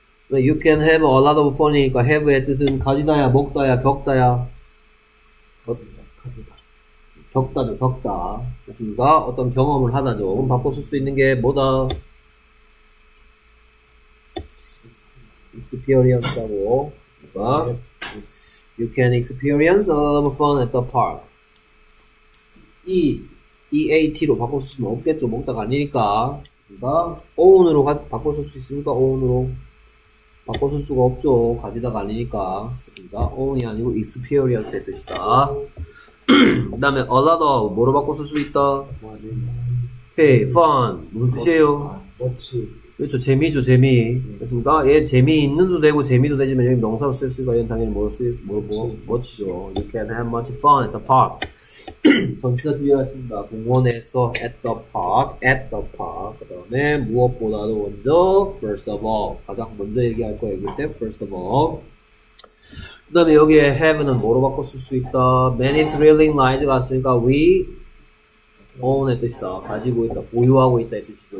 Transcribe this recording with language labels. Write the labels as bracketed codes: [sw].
[en] You can have a lot of fun [ko] 이니까, have의 뜻은 가지다야, 먹다야, 겪다야. 가지다. 겪다죠, 겪다. 됐습니까? 어떤 경험을 하다죠. 그럼 바꿔 쓸 수 있는 게 뭐다? experience라고. 그러니까 [en] you can experience a lot of fun at the park. [ko] EAT로 바꿀 수는 없겠죠. 먹다가 아니니까. 그러니까 own으로 바꿀 수 있습니까? own으로 바꿀 수가 없죠. 가지다가 아니니까. 그러니까 own이 아니고 experience의 뜻이다. 그 다음에 a lot of 뭐로 바꿀 수 있다? okay, fun. 무슨 뜻이에요? 멋지. 그렇죠. 재미죠, 재미. 됐습니까? 얘 재미있는도 되고, 재미도 되지만, 여기 명사로 쓸 수가, 얘는 당연히 뭐로 쓸, 멋지죠. [en] You can have much fun at the park. [ko] 전치사 준비하겠습니다. 공원에서 [en] at the park, at the park. [ko] 그 다음에, 무엇보다도 먼저, [en] first of all. [ko] 가장 먼저 얘기할 거예요. 여기 때, [en] first of all. [ko] 그 다음에 여기에 have는 뭐로 바꿔 쓸 수 있다? [en] Many thrilling rides [ko] 갔으니까, we, own의 뜻이다. 가지고 있다. 보유하고 있다. 의 뜻이죠.